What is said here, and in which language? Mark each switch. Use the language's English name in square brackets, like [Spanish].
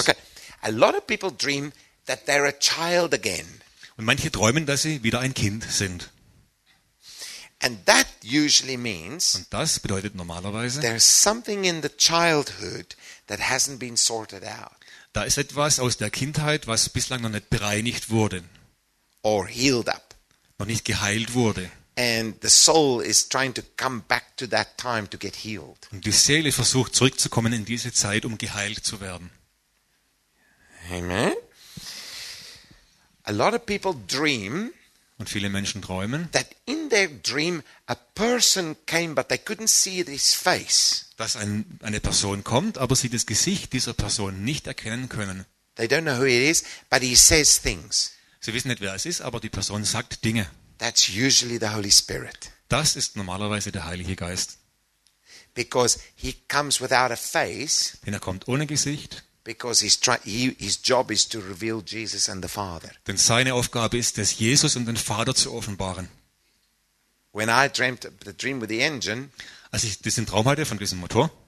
[English] Okay. A lot of people dream that they're a child again. [German] Und manche träumen, dass sie wieder ein Kind sind. [English] And that usually means. [German] Und das bedeutet normalerweise. [English] There's something in the childhood that hasn't been sorted out. [German] Da ist etwas aus der Kindheit, was bislang noch nicht bereinigt wurde. [English] Or healed up. [German] Noch nicht geheilt wurde. [English] And the soul is trying to come back to that time to get healed. [German] Und die Seele versucht zurückzukommen in diese Zeit, um geheilt zu werden. [English] Amen. A lot of people dream. [German] Und viele Menschen träumen. [English] That in their dream a person came, but they couldn't see his face. [German] Dass eine Person kommt, aber sie das Gesicht dieser Person nicht erkennen können. [English] They don't know who it is, but he says things. [German] Sie wissen nicht, wer es ist, aber die Person sagt Dinge. [English] That's usually the Holy Spirit. [German] Das ist normalerweise der Heilige Geist. [English] Because he comes without a face. [German] Denn er kommt ohne Gesicht. [English] Because his job is to reveal Jesus and the Father. [German] Denn seine Aufgabe ist es, Jesus und den Vater zu offenbaren. [English] When I dreamt the dream with the engine. [German] Als ich diesen Traum hatte von diesem Motor,